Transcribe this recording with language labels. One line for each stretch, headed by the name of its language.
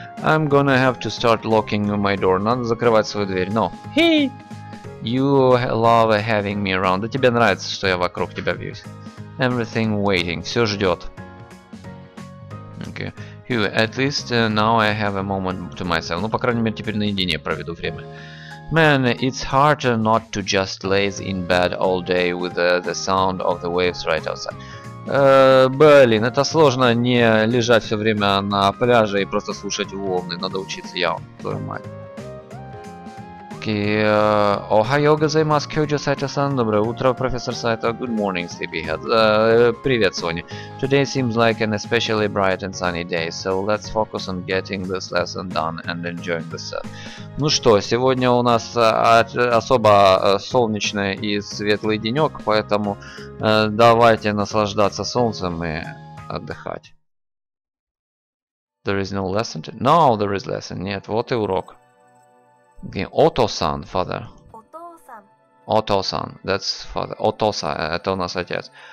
English: I'm gonna have to start locking my door.
Russian: Надо закрывать свою дверь.
English: No. Hey! You love having me around.
Russian: Да тебе нравится, что я вокруг тебя вьюсь.
English: Everything waiting.
Russian: Все ждет.
English: Okay. Phew, at least now I have a moment to myself.
Russian: Ну, по крайней мере, теперь наедине проведу время.
English: Man, it's hard not to just lay in bed all day with the sound of the waves right outside.
Russian: Блин, это сложно не лежать все время на пляже и просто слушать волны. Надо учиться, я вам, твою мать.
Japanese: Охайо газаймас, кёджо сайто-сан.
Russian: Доброе утро, профессор Сайто.
English: Good morning, sleepyhead.
Russian: Привет,
English: Sony. Today seems like an especially bright and sunny day, so let's focus on getting this lesson done and enjoying the set.
Russian: Ну что, сегодня у нас особо солнечный и светлый денек, поэтому... Давайте наслаждаться солнцем и отдыхать.
English: There is no lesson to... No, there is lesson.
Russian: Нет, вот и урок.
English: Ото-сан, father. Ото-сан. That's father. Ото-сан.
Russian: Это у нас отец.